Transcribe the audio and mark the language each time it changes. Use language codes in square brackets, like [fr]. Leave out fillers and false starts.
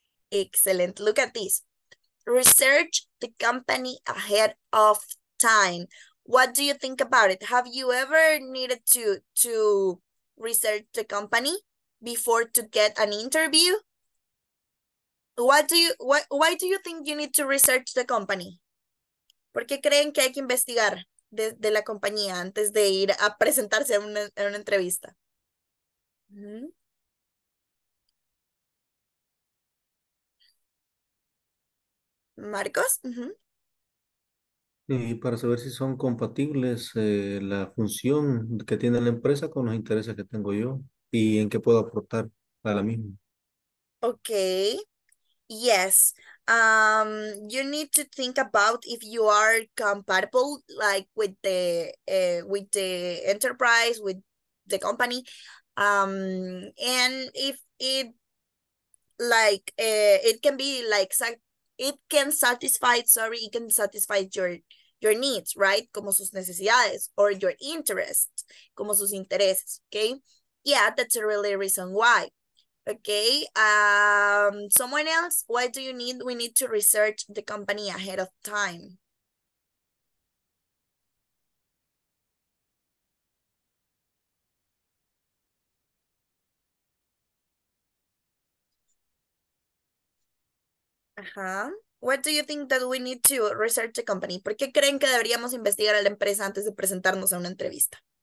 [en] Excellent. Look at this. Research the company ahead of time. What do you think about it? Have you ever needed to research the company before to get an interview? Why do you think you need to research the company? [es] ¿Por qué creen que hay que investigar de la compañía antes de ir a presentarse en una entrevista? Marcos, Y para saber si son compatibles la función que tiene la empresa con los intereses que tengo yo y en qué puedo aportar a la misma. [en] Okay, yes. You need to think about if you are compatible, like with the enterprise, with the company, and if it like it can be like it can satisfy your needs, right? [es] Como sus necesidades, [en] or your interests, [es] como sus intereses, okay? [en] Yeah, that's a really reason why. Okay, someone else, why do you need, we need to research the company ahead of time? What do you think that we need to research the company? [es] ¿Por qué creen que deberíamos investigar a la empresa antes de presentarnos a una entrevista?